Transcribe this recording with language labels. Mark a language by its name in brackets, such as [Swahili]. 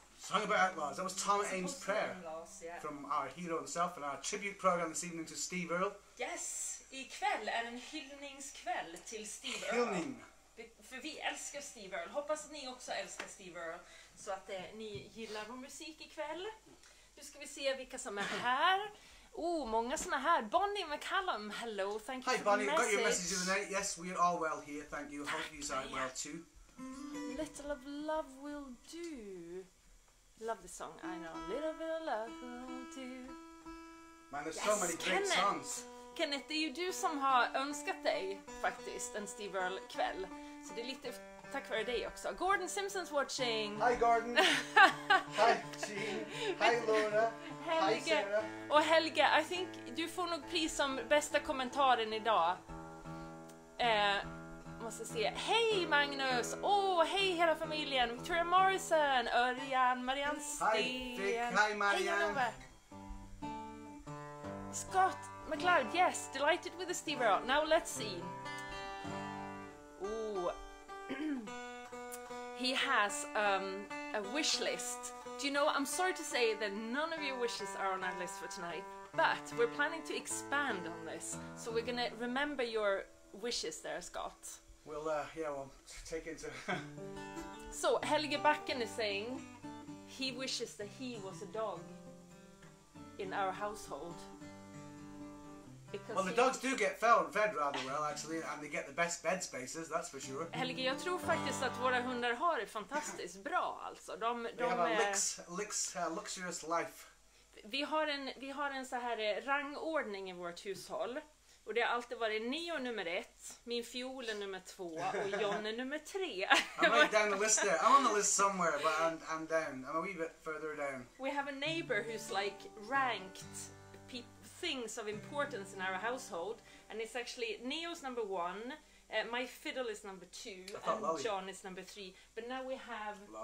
[English] That was Tom Ames' Prayer from our hero himself and our tribute program this evening to Steve Earle. [Swedish] Yes, ikväll är en hyllningskväll till Steve Earle. Hyllning. För vi älskar Steve Earle. Hoppas att ni också älskar Steve Earle. Så att ni gillar vår musik ikväll. Nu ska vi se vilka som är här. Oh, många som är här. Bonnie McCallum, [English] hello. Thank you. Hi, for Bonnie. The message. Got your message of the night. Yes, we are all well here. Thank you. Hope you are well too. Little of love will do. Love the song, I know. Little bit of love will do. Man, there's yes, so many Kenneth. Great songs. [Swedish] Kenneth, det är ju du som har önskat dig faktiskt en Steve Earle kväll. Så det är lite tack vare dig också. [English] Gordon Simpson's watching. Hi Gordon. Hi Jean. Hi Laura. Helge. Hi Sarah. [Swedish] Och Helge, [English] I think [Swedish] du får nog pris som bästa kommentaren idag. Måste se. Hej Magnus. Åh, oh, hej hela familjen. Victoria Morrison, Örjan, Marianne Sten. [English] Hi Marianne. Hey, Scott McLeod. Yes, delighted with the Steve Earle. Now let's see. Ooh. He has a wish list. Do you know, I'm sorry to say that none of your wishes are on our list for tonight, but we're planning to expand on this. So we're going to remember your wishes there, Scott. We'll take into. So Helge Backen is saying he wishes that he was a dog in our household. Well, the dogs do get fed rather well, actually, and they get the best bed spaces, that's for sure. [Swedish] Helge, jag tror faktiskt att våra hundar har det fantastiskt bra, alltså. De [English] have a luxurious life. [Swedish] Vi har en så här rangordning i vårt hushåll. Och det har alltid varit Neo nummer ett, min fiol är nummer två och John är nummer tre. [English] I'm right down the list there. I'm on the list somewhere, but I'm down. I'm a wee bit further down. We have a neighbor who's like ranked things of importance in our household. And it's actually Neo's number one, My fiddle is number 2, and Lolly. John is number 3. But now we have